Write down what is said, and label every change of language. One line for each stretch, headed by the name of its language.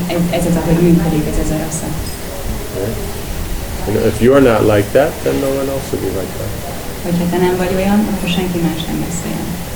Hungarian: Ez az, ahogy működik, ez a rasa.
English: And if you're not like that, then no one else will be like that.
Hungarian: Hogyha te nem vagy olyan, akkor senki más nem lesz olyan.